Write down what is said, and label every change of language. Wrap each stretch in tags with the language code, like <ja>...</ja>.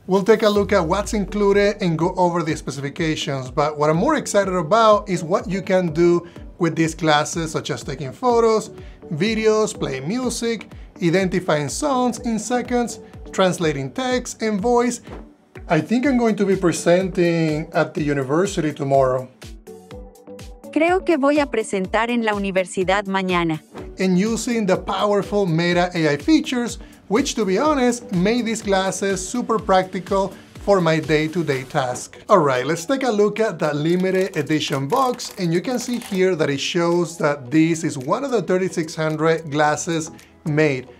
<en>We'll take a look at what's included and go over the specifications, but what I'm more excited about is what you can do with these glasses, such as taking photos, videos, playing music, identifying sounds in seconds, translating text and voice. I think I'm going to be presenting at the university tomorrow.</en> <es>Creo que voy a presentar en la universidad mañana.</es> <en>And using the powerful Meta AI features, which to be honest, made these glasses super practical for my day-to-day task. All right, let's take a look at the limited edition box. And you can see here that it shows that this is one of the 3600 glasses made.</en>